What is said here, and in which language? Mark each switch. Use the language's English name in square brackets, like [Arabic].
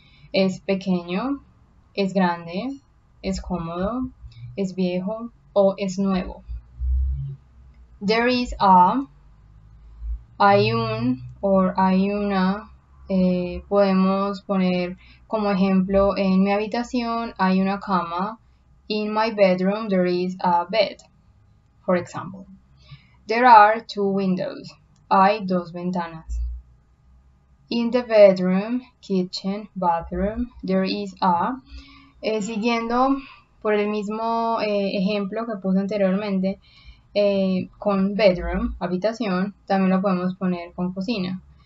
[Spanish] Es pequeño, es grande, es cómodo, es viejo o es nuevo. [English] There is a, [Spanish] hay un o hay una. Podemos poner como ejemplo, en mi habitación hay una cama. [English] In my bedroom there is a bed, for example. There are two windows. [Spanish] Hay dos ventanas. [English] In the bedroom, kitchen, bathroom, there is a. [Spanish] Siguiendo por el mismo ejemplo que puse anteriormente, con bedroom, habitación, también lo podemos poner con cocina.